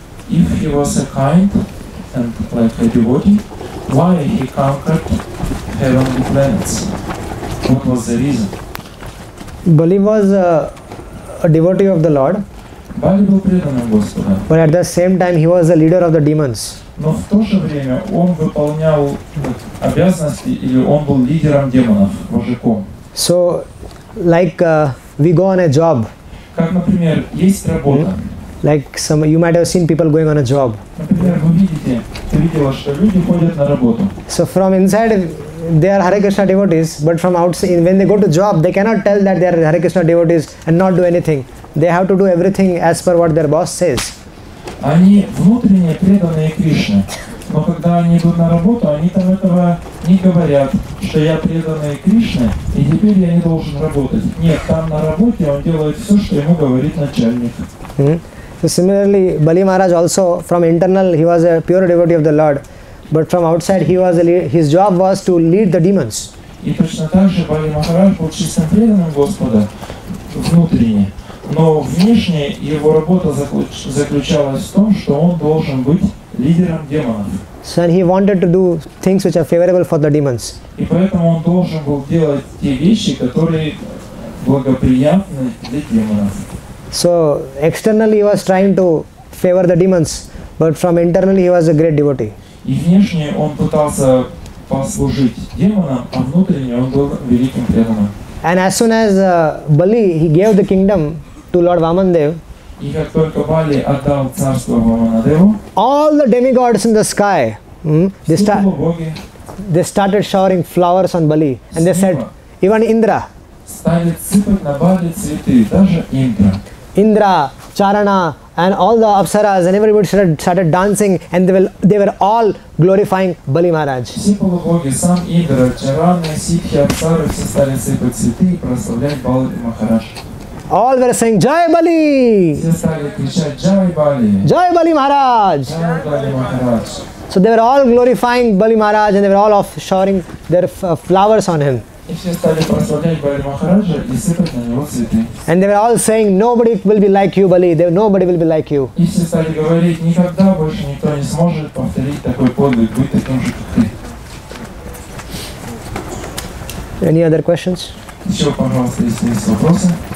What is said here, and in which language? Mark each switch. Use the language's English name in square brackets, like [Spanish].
[English] If he was a kind and like a devotee, why he conquered heavenly planets? What was the reason? Bali was a devotee of the Lord. But at the same time, he was the leader of the demons. [Russian] Но в то же время он выполнял обязанности или он был лидером демонов, вожаком. [English] So, like we go on a job. [Russian] Как, например, есть работа. [English] Like some, you might have seen people going on a job. [Russian] Например, вы видите, ты видела, что люди ходят на работу. [English] So from inside. They are Hare Krishna devotees, but from outside, when they go to job, they cannot tell that they are Hare Krishna devotees and not do anything. They have to do everything as per what their boss says. [Russian] Они внутренне преданные Кришне, но когда они идут на работу, они там этого не говорят, что я преданный Кришне и теперь я не должен работать. Нет, там на работе он делает все, что ему говорит начальник. [English] So similarly, Bali Maharaj also from internal, he was a pure devotee of the Lord. But from outside, he was his job was to lead the demons. [Russian] И точно так же Бали Махарадж был чистым преданным Господа внутренне, но внешне его работа заключалась в том, что он должен быть лидером демонов. [English] So he wanted to do things which are favorable for the demons. [Russian] И поэтому он должен был делать те вещи, которые благоприятны для демонов. [English] So externally he was trying to favor the demons, but from internally he was a great devotee. [Russian] И внешне он пытался послужить демонам, а внутренне он был великим преданным. [English] And as soon as Bali he gave the kingdom to Lord Vamandev. [Russian] И как только Бали отдал царство Вамандеву. [English] All the demigods in the sky, they started showering flowers on Bali, and they said, even Indra. [Russian] Стали сыпать на Бали цветы, даже Индра. [English] Indra, Charana, and all the apsaras and everybody started dancing, and they were all glorifying Bali Maharaj. [Russian] Все полубоги, сам Индра, Чараны, Ситхи, Апсары, все стали сыпать цветы и прославлять Бали Махарадж. [English] All were saying Jai Bali. [Russian] Все стали кричать Jai Bali. [English] Jai Bali Maharaj. Jai Bali Maharaj. So they were all glorifying Bali Maharaj, and they were all showering their flowers on him. [Russian] И все стали прославлять Бали Махараджа и сыпать на него цветы. [English] And they were all saying, nobody will be like you, Bali. Nobody will be like you. [Russian] И все стали говорить, никогда больше никто не сможет повторить такой подвиг, быть таким же, как ты. [English] Any other questions? [Russian] Еще, пожалуйста, если есть вопросы.